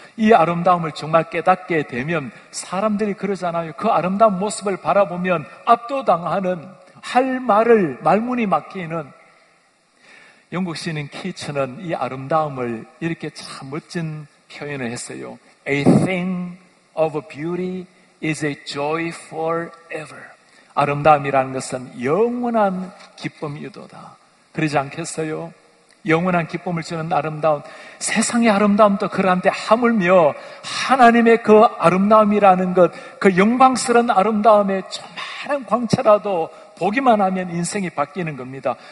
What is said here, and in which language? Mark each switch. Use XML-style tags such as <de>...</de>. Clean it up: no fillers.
<ko>이 아름다움을 정말 깨닫게 되면 사람들이 그러잖아요. 그 아름다운 모습을 바라보면 압도당하는, 할 말을 말문이 막히는. 영국 시인 키츠는 이 아름다움을 이렇게 참 멋진 표현을 했어요.</ko> <en>A thing of beauty is a joy forever.</en> <ko>아름다움이라는 것은 영원한 기쁨이도다. 그러지 않겠어요? 영원한 기쁨을 주는 아름다움, 세상의 아름다움도 그러한데 하물며 하나님의 그 아름다움이라는 것, 그 영광스러운 아름다움의 조그마한 광채라도 보기만 하면 인생이 바뀌는 겁니다.</ko>